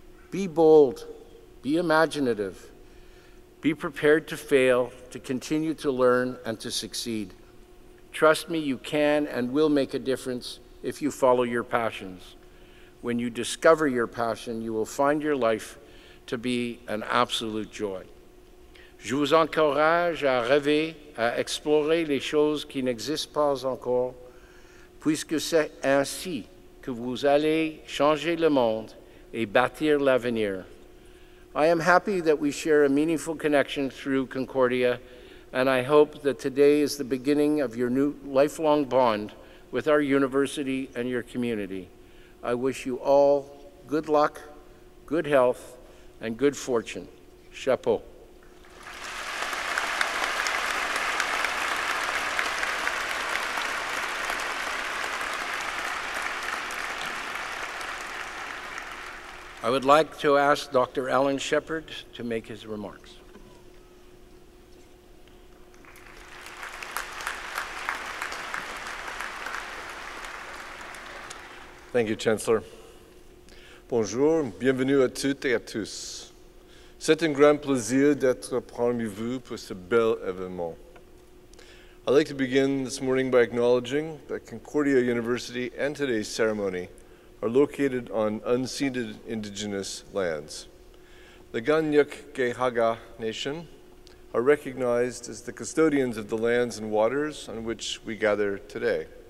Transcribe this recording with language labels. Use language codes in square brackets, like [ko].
[en] Be bold, be imaginative, be prepared to fail, to continue to learn, and to succeed. Trust me, you can and will make a difference if you follow your passions. When you discover your passion, you will find your life to be an absolute joy. [fr] Je vous encourage à rêver, à explorer les choses qui n'existent pas encore, puisque c'est ainsi que vous allez changer le monde et bâtir l'avenir. [en] I am happy that we share a meaningful connection through Concordia, and I hope that today is the beginning of your new lifelong bond with our university and your community. I wish you all good luck, good health, and good fortune. [fr] Chapeau. [en] I would like to ask Dr. Alan Shepard to make his remarks. Thank you, Chancellor. [fr] Bonjour, bienvenue à toutes et à tous. C'est un grand plaisir d'être parmi vous pour ce bel événement. [en] I'd like to begin this morning by acknowledging that Concordia University and today's ceremony are located on unceded Indigenous lands. The Ganyuk Gehaga Nation are recognized as the custodians of the lands and waters on which we gather today.